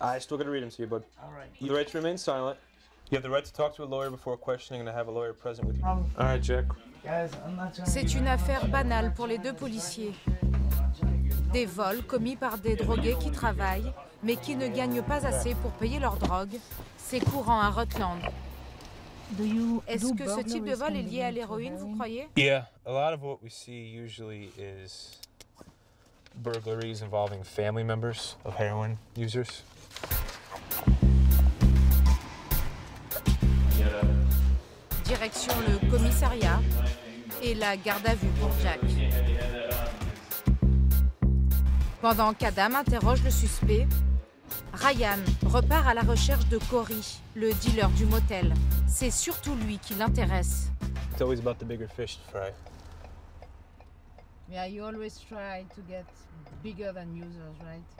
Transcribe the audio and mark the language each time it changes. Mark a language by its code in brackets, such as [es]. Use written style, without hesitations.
[en] I still gotta read them to you, bud. All right. You have the right to remain silent. You have the right to talk to a lawyer before questioning and to have a lawyer present with you. All right, Jack. Guys, I'm not trying. [fr] C'est une affaire banale pour les deux policiers. Des vols commis par des drogués qui travaillent, mais qui ne gagnent pas assez pour payer leur drogue, c'est courant à Rutland. Est-ce que ce type de vol est lié à l'héroïne, vous croyez? [en] Yeah, a lot of what we see usually is burglaries involving family members of heroin users. [fr] Direction le commissariat et la garde à vue pour Jack. Pendant qu'Adam interroge le suspect, Ryan repart à la recherche de Corey, le dealer du motel. C'est surtout lui qui l'intéresse. [en] It's always about the bigger fish to fry. Yeah, you always try to get bigger than users, right?